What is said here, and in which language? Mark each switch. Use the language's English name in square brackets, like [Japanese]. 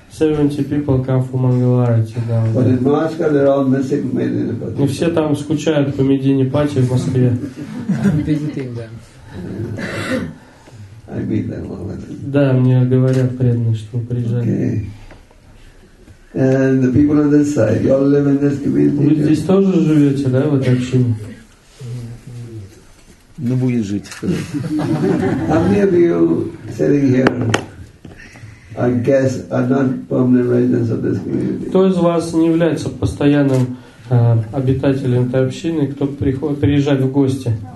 [English] 70 people come from Мангаларати, да. But in Moscow they're all missing Medina Pati. [Russian] Но все там скучают по Медине Пати в Москве. [English] I'm visiting them. I meet them all the time. [Russian] Да, мне говорят преданные, что приезжают. [English] Okay. And the people on this side, you all live in this community. [Russian] Вы здесь тоже живете, да, в этой общине? Ну, будет жить. [English] How many of you sitting here? I guess are not permanent residents of this community. [Russian] Кто из вас не является постоянным обитателем этой общины, кто приходит приезжать в гости?